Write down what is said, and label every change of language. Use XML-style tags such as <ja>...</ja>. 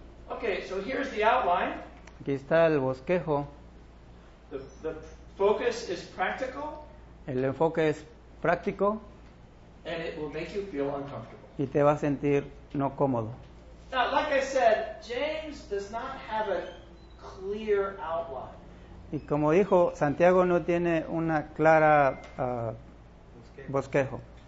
<en>Okay, so here's the outline.</en> <es>Aquí está el bosquejo.</es> <en>The focus is practical.</en> <es>El enfoque es práctico.</es> <en>And it will make you feel uncomfortable.</en> <es>Y te va a sentir no cómodo.</es> <en>Now, like I said, James does not have a clear outline.</en> <es>Y como dijo, Santiago no tiene una clara bosquejo.</es>